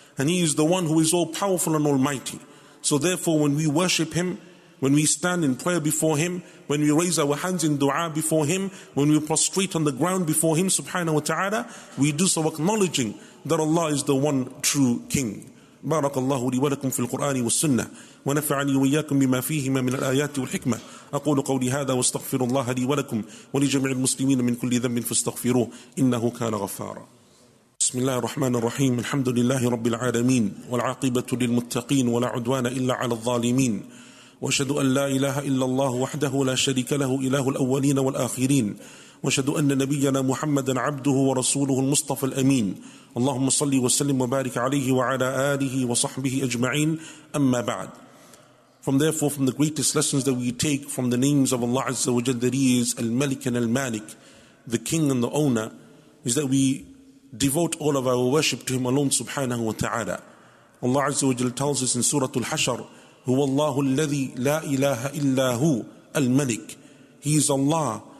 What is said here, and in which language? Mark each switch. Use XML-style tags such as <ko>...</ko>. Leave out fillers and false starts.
<en>And He is the one who is all-powerful and almighty. So therefore, when we worship Him, when we stand in prayer before Him, when we raise our hands in dua before Him, when we prostrate on the ground before Him subhanahu wa ta'ala, we do so acknowledging that Allah is the one true King.</en> <ar>بارك الله لي ولكم في القرآن والسنة ونفعني وإياكم بما فيهما من الآيات والحكمة. أقول قولي هذا واستغفر الله لي ولكم ولجميع المسلمين من كل ذنب فاستغفروه إنه كان غفارا. بسم الله الرحمن الرحيم. الحمد لله رب العالمين والعاقبة للمتقين ولا عدوان إلا على الظالمين. وأشهد أن لا إله إلا الله وحده لا شريك له إله الأولين والآخرين. وأشهد أن نبينا محمدا عبده ورسوله المصطفى الأمين. اللهم صل وسلم وبارك عليه وعلى آله وصحبه أجمعين. أما بعد.</ar> <en>From therefore from the greatest lessons that we take from the names of Allah Azza wa Jalla, that He is Al-Malik and Al-Malik, the King and the Owner, is that we devote all of our worship to Him alone, subhanahu wa ta'ala. Allah Azza wa Jalla tells us in Surah Al-Hashr,</en> <ar>هُوَ اللَّهُ الَّذِي لَا إِلَهَ إِلَّا هُوَ الْمَلِكُ.</ar> <en>He is Allah.</en>